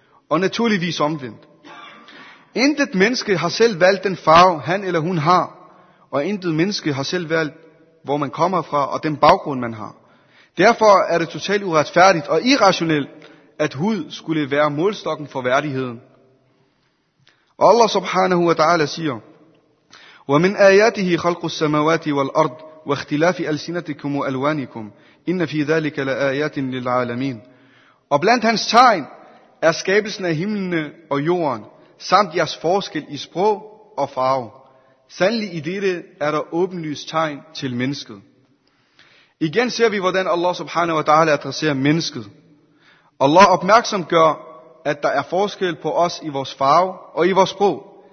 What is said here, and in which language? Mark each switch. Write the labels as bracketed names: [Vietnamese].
[Danish] Og naturligvis omvendt. Intet menneske har selv valgt den farve, han eller hun har. Og intet menneske har selv valgt, hvor man kommer fra og den baggrund, man har. Derfor er det totalt uretfærdigt og irrationelt, at hud skulle være målstokken for værdigheden. Og Allah subhanahu wa ta'ala siger, [Arabic] وَمِنْ آيَاتِهِ خَلْقُ السَّمَوَاتِ وَالْأَرْضِ وَاخْتِلَافِ أَلْسِنَتِكُمْ وَأَلْوَانِكُمْ إِنَّ فِي ذَلِكَ لَآيَاتٍ لِلْعَالَمِينَ. [Danish] Og blandt hans tegn er skabelsen af himlene og jorden, samt jeres forskel i sprog og farve. Sandelig i dette er der åbenlyst tegn til mennesket. Igen ser vi, hvordan Allah subhanahu wa ta'ala adresserer mennesket. Allah opmærksom gør, at der er forskel på os i vores farve og i vores sprog.